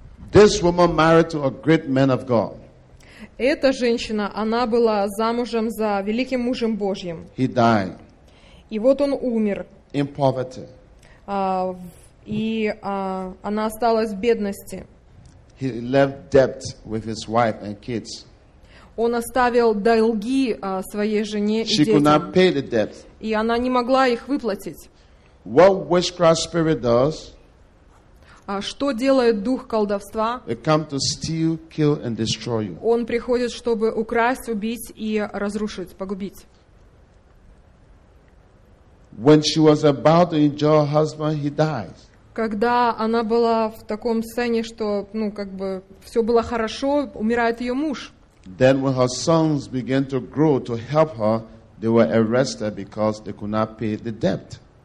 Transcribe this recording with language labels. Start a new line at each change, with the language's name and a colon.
English: This woman married to a great man of God.
Russian: Эта женщина, она была замужем за великим мужем Божьим.
English: He died.
Russian: И вот он умер.
English: In poverty.
Russian: Она осталась в бедности.
English: He left debt with his wife and kids.
Russian: Он оставил долги своей жене и
English: She
Russian: детям.
English: Could not pay the debt.
Russian: И она не могла их выплатить.
English: What witchcraft spirit does?
Russian: Что делает дух колдовства?
English: It come to steal, kill and destroy you.
Russian: Он приходит, чтобы украсть, убить и разрушить, погубить.
English: When she was about to enjoy her husband, he dies.
Russian: Когда она была в таком сцене, что все было хорошо, умирает ее муж.
English: Then when her sons began to grow to help her, they were arrested because they could not pay the debt.